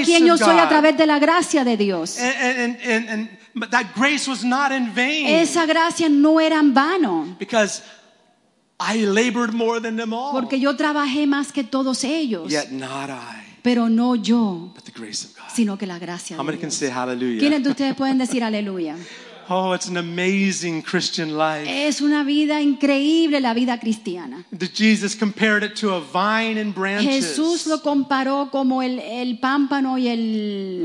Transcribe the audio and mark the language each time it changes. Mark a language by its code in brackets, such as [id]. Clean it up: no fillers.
[es] Soy quien yo soy a través de la gracia de Dios. [en] And but that grace was not in vain. [es] Esa gracia no era en vano. [en] Because I labored more than them all. [es] Porque yo trabajé más que todos ellos. [en] Yet not I. [es] Pero no yo. [en] But the grace of God. [es] Sino que la gracia [en] how [es] de Dios. [en] How many can say hallelujah? [es] ¿Quiénes de ustedes pueden decir aleluya? [en] Oh, it's an amazing Christian life. [es] Es una vida increíble, la vida cristiana. [en] Jesus compared it to a vine and branches. [es] Jesús lo comparó como el pámpano y el